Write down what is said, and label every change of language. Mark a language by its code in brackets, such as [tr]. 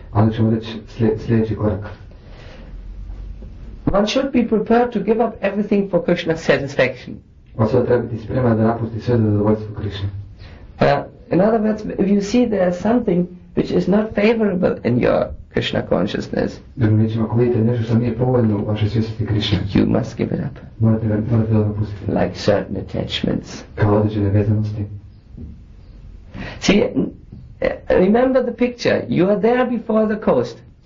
[hr] Onda ćemo reći sljedeći korak. [en] One should be prepared to give up everything for Krishna's satisfaction. [hr] Osoba treba biti spremna da napusti sve za zadovoljstvo Krishna. [en] In other words, if you see there is something which is not favorable in your Krishna consciousness, [hr] ako vidite nešto što nije povoljno u vašoj svjesnosti Krishna, [en] you must give it up. [hr] Morate ga napustiti. [en] Like certain attachments. [hr] Kao određene vezanosti. [en] See, remember the picture. You are there before the coast.